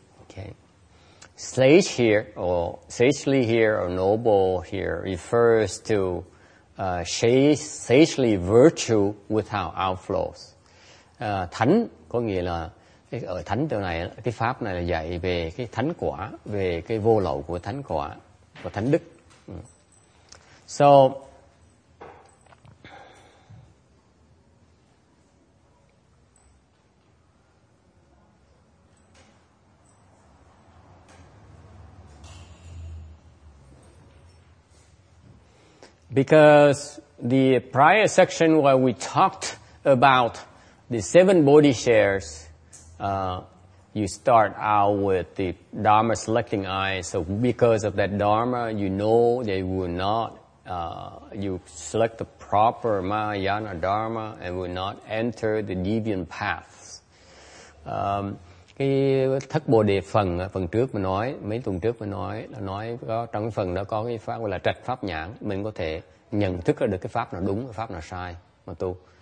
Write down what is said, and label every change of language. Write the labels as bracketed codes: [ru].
[en] Okay. Sage here, or sagely here, or noble here, refers to sagely virtue without outflows. [vi] Thánh có nghĩa là ở thánh chỗ này, cái pháp này là dạy về cái thánh quả, về cái vô lậu của thánh quả, của thánh đức. [en] So, because the prior section where we talked about the seven body shares, you start out with the Dharma selecting eyes. So because of that Dharma, you know they will not, you select the proper Mahayana Dharma and will not enter the deviant paths. [vi] Cái thất bồ đề phần phần trước mình nói, mấy tuần trước mình nói là nói có trong cái phần đó có cái pháp gọi là trạch pháp nhãn, mình có thể nhận thức được cái pháp nào đúng, cái pháp nào sai mà tu.